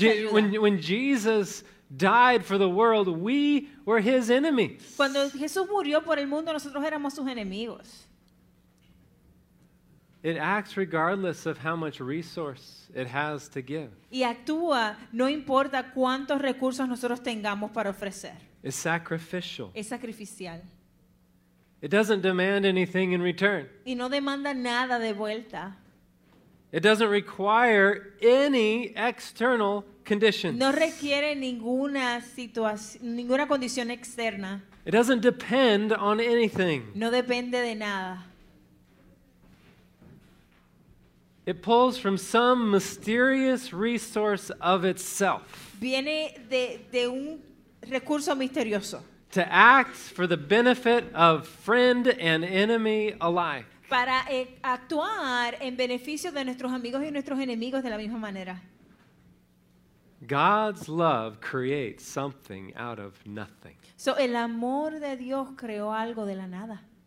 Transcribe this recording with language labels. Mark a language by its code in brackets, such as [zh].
[en] When Jesus died for the world, we were his enemies. [es] Cuando Jesús murió por el mundo, nosotros éramos sus enemigos. [en] It acts regardless of how much resource it has to give. [es] Y actúa no importa cuántos recursos nosotros tengamos para ofrecer. [en] It's sacrificial. [es] Es sacrificial. [en] It doesn't demand anything in return. [es] Y no demanda nada de vuelta. [en] It doesn't require any external conditions. [es] No requiere ninguna situación, ninguna condición externa. [en] It doesn't depend on anything. [es] No depende de nada. [en] It pulls from some mysterious resource of itself. [es] Viene de un recurso misterioso. [en] To act for the benefit of friend and enemy alike. [es] Para actuar en beneficio de nuestros amigos y nuestros enemigos de la misma manera. [en] God's love creates something out of nothing. [es] So el amor de Dios creó algo de la nada.